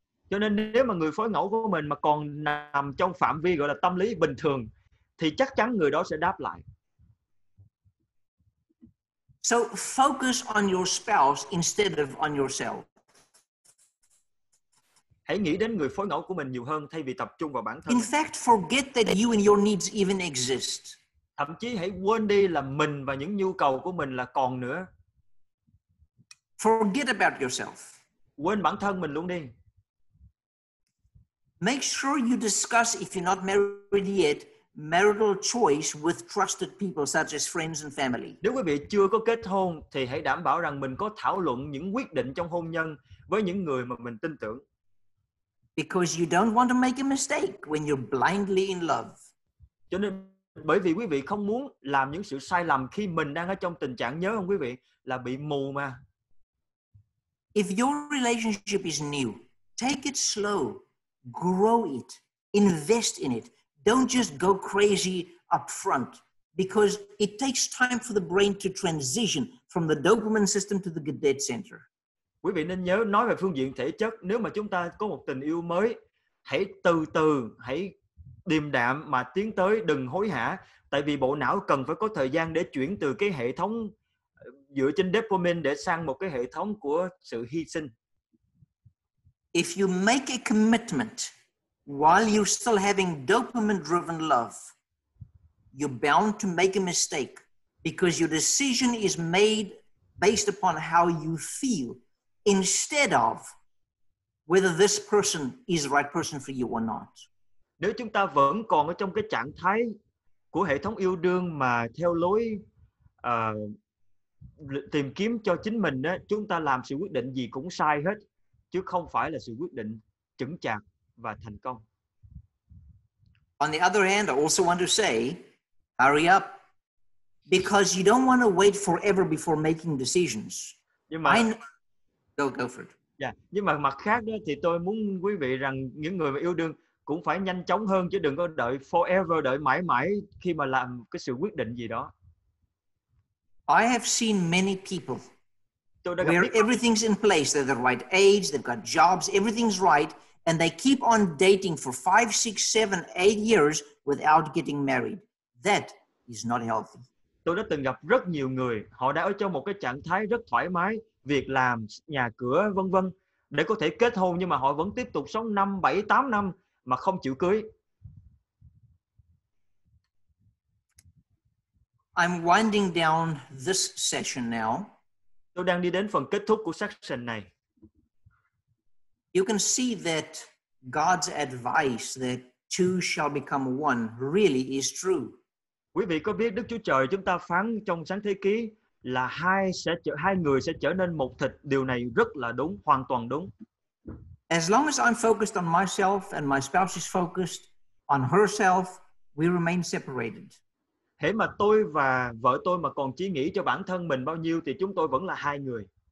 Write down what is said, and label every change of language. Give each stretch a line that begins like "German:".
Vietnamese: Cho nên nếu mà người phối ngẫu của mình mà còn nằm trong phạm vi gọi là tâm lý bình thường thì chắc chắn người đó sẽ đáp lại.
English: So focus on your spouse instead of on yourself.
Vietnamese: Hãy nghĩ đến người phối ngẫu của mình nhiều hơn thay vì tập trung vào bản thân.
English: In fact, forget that you and your needs even exist.
Vietnamese: Thậm chí hãy quên đi là mình và những nhu cầu của mình là còn nữa.
English: Forget about yourself.
Vietnamese: Quên bản thân mình luôn đi.
English: Make sure you discuss, if you're not married yet, marital choice with trusted people such as friends and family.
Vietnamese: Nếu quý vị chưa có kết hôn thì hãy đảm bảo rằng mình có thảo luận những quyết định trong hôn nhân với những người mà mình tin tưởng.
English: Because you don't want to make a mistake when you're blindly in love.
Vietnamese: Cho nên bởi vì quý vị không muốn làm những sự sai lầm khi mình đang ở trong tình trạng nhớ không quý vị là bị mù mà.
English: If your relationship is new, take it slow, grow it, invest in it. Don't just go crazy up front because it takes time for the brain to transition from the dopamine system to the Godet center.
Vietnamese: Quý vị nên nhớ nói về phương diện thể chất, nếu mà chúng ta có một tình yêu mới, hãy từ từ, hãy điềm đạm mà tiến tới, đừng hối hả, tại vì bộ não cần phải có thời gian để chuyển từ cái hệ thống dựa trên dopamine để sang một cái hệ thống của sự hy sinh.
English: If you make a commitment while you're still having dopamine driven love, you're bound to make a mistake because your decision is made based upon how you feel instead of whether this person is the right person for you or not.
Vietnamese: Nếu chúng ta vẫn còn ở trong cái trạng thái của hệ thống yêu đương mà theo lối tìm kiếm cho chính mình đó, chúng ta làm sự quyết định gì cũng sai hết chứ không phải là sự quyết định chững chạc và thành công.
English: On the other hand, I also want to say, hurry up, because you don't want to wait forever before making decisions.
Vietnamese: Nhưng mà
English: go for it. Yeah.
Vietnamese: Nhưng mà mặt khác đó thì tôi muốn quý vị rằng những người mà yêu đương cũng phải nhanh chóng hơn chứ đừng có đợi forever, đợi mãi mãi khi mà làm cái sự quyết định gì đó.
English: I have seen many people where everything's in place, they're the right age, they've got jobs, everything's right, and they keep on dating for 5, 6, 7, 8 years without getting married. That is not healthy.
Vietnamese: Tôi đã từng gặp rất nhiều người, họ đã ở trong một cái trạng thái rất thoải mái, việc làm, nhà cửa, vân vân, để có thể kết hôn nhưng mà họ vẫn tiếp tục sống 5, 7, 8 năm mà không chịu cưới.
English: I'm winding down this session now.
Vietnamese: Tôi đang đi đến phần kết thúc của session này.
English: You can see that God's advice that two shall become one really is true.
Vietnamese: Quý vị có biết Đức Chúa Trời chúng ta phán trong Sáng Thế Ký là hai người sẽ trở nên một thịt, điều này rất là đúng, hoàn toàn đúng.
English: As long as I'm focused on myself and my spouse is focused on herself, we remain separated.
Vietnamese: Hễ mà tôi và vợ tôi mà còn chỉ nghĩ cho bản thân mình bao nhiêu thì chúng tôi vẫn là hai người.